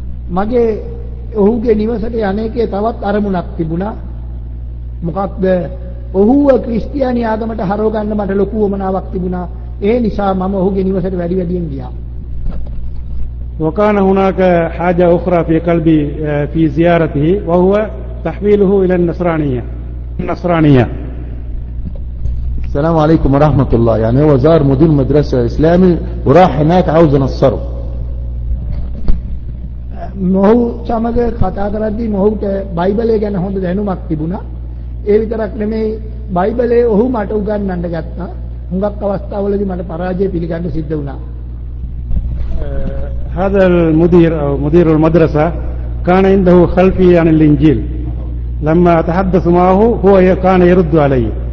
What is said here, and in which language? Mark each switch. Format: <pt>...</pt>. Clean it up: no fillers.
<si>මගේ ඔහුගේ නිවසට යන්නේකේ තවත් අරමුණක් තිබුණා. මොකක්ද ඔහුව ක්‍රිස්තියානි ආගමට හරව ගන්න මට ලොකු උවමනාවක් තිබුණා. ඒ නිසා මම ඔහුගේ නිවසට වැඩි වැඩියෙන් ගියා.</si> <ar>وكان هناك حاجة أخرى في قلبي في زيارته وهو تحويله إلى النصرانية. النصرانية. السلام عليكم ورحمة الله. يعني هو زار مدير مدرسة إسلامي وراح هناك عاوز ينصره.</ar> <si>මොහු සමග කතා කරද්දී මොහුට බයිබලය ගැන හොඳ දැනුමක් තිබුණා. ඒ විතරක් නෙමෙයි බයිබලයේ ඔහු මට උගන්වන්න ගත්තා. හුඟක් අවස්ථාවලදී මට පරාජය පිළිගන්න සිද්ධ වුණා.</si> <ar>هذا المدير او مدير المدرسه كان عنده خلفي عن الانجيل لما اتحدث معه هو كان يرد علي</ar>